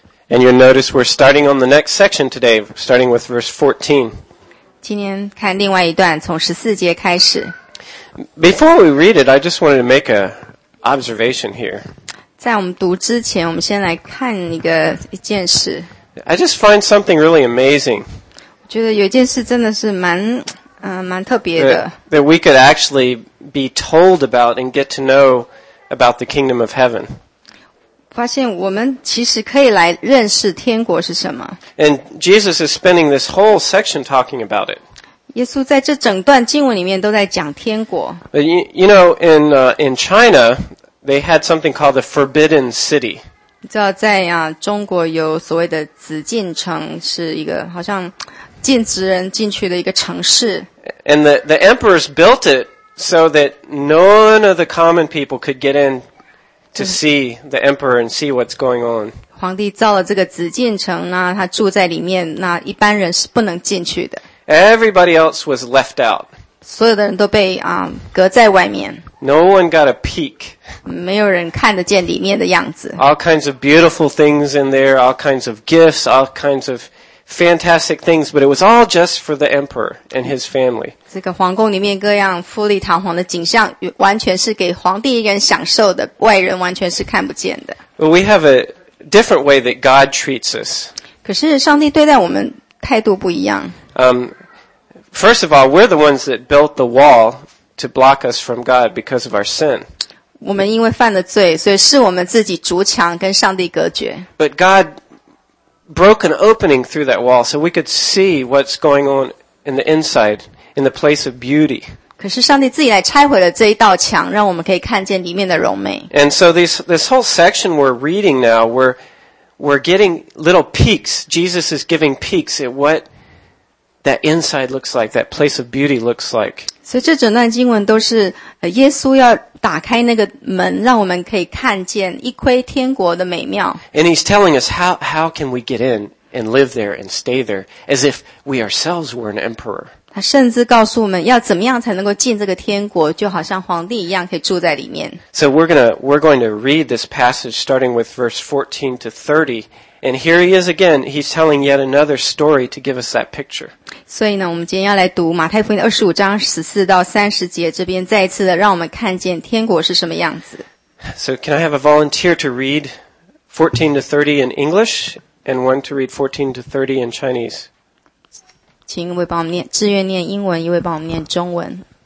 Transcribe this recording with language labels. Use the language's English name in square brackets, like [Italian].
[English] And you'll notice we're starting on the next section today, starting with verse 14. [Chinese] 今天看另外一段，从14节开始。 [English] Before we read it, I just wanted to make an observation here. [Chinese] 在我们读之前，我们先来看一件事。 [English] I just find something really amazing. [Chinese] 我觉得有一件事真的是蛮特别的。 [English] That we could actually be told about and get to know about the kingdom of heaven. [Chinese] 发现我们其实可以来认识天国是什么。 [English] And Jesus is spending this whole section talking about it. [Chinese] 耶稣在这整段经文里面都在讲天国。 [English] You know, in China,They had something called the Forbidden City. [Chinese] 你知道在中国有所谓的紫禁城，是一个好像禁止人进去的一个城市。 [English] And the emperors built it so that none of the common people could get in to see the emperor and see what's going on. [Chinese] 皇帝造了这个紫禁城，那他住在里面，那一般人是不能进去的。 [English] Everybody else was left out. [Chinese] 所有的人都被隔在外面。 [English] No one got a peek. [Chinese] 没有人看得见里面的样子。 [English] All kinds of beautiful things in there, all kinds of gifts, all kinds of fantastic things, but it was all just for the emperor and his family. [Chinese] 这个皇宫里面各样富丽堂皇的景象完全是给皇帝一个人享受的，外人完全是看不见的。 [English] But we have a different way that God treats us. [Chinese] 可是上帝对待我们态度不一样。 [English] First of all, we're the ones that built the wall. To block us from God because of our sin. [Chinese] 我们因为犯了罪，所以是我们自己筑墙跟上帝隔绝。 [English] But God broke an opening through that wall so we could see what's going on in the inside, in the place of beauty. [Chinese] 可是上帝自己来拆毁了这一道墙，让我们可以看见里面的荣美。 [English] And so this whole section we're reading now, we're getting little peeks. Jesus is giving peeks at what that inside looks like, that place of beauty looks like. [Chinese] 所以这整段经文都是耶稣要打开那个门，让我们可以看见一窥天国的美妙。 [English] And he's telling us how can we get in and live there and stay there as if we ourselves were an emperor. [Chinese] 他甚至告诉我们要怎么样才能够进这个天国，就好像皇帝一样可以住在里面。 [English] So we're going to read this passage starting with verse 14 to 30. And here he is again. He's telling yet another story to give us that picture. [Chinese] 所以呢，我们今天要来读马太福音25章14到30节，这边再一次的让我们看见天国是什么样子。 [English] So can I have a volunteer to read 14 to 30 in English and one to read 14 to 30 in Chinese? [Chinese] 请一位帮我们念，自愿念英文，一位帮我们念中文。